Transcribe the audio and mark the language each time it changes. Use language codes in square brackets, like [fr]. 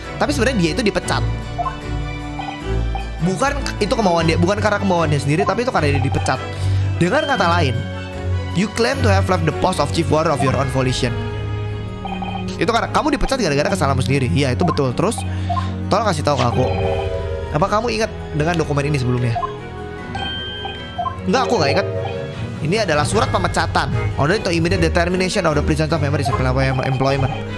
[id] Tapi sebenarnya dia itu dipecat. Bukan itu kemauan dia, bukan karena kemauan dia sendiri, tapi itu karena dia dipecat. Dengan kata lain, [en] you claim to have left the post of chief warrior of your own volition. [id] Itu karena kamu dipecat gara-gara kesalahanmu sendiri. Iya, itu betul. Terus, tolong kasih tahu ke aku. Apa kamu ingat dengan dokumen ini sebelumnya? Enggak, aku gak ingat. Ini adalah surat pemecatan. [en] Order to immediate determination of the prison staff members of employment.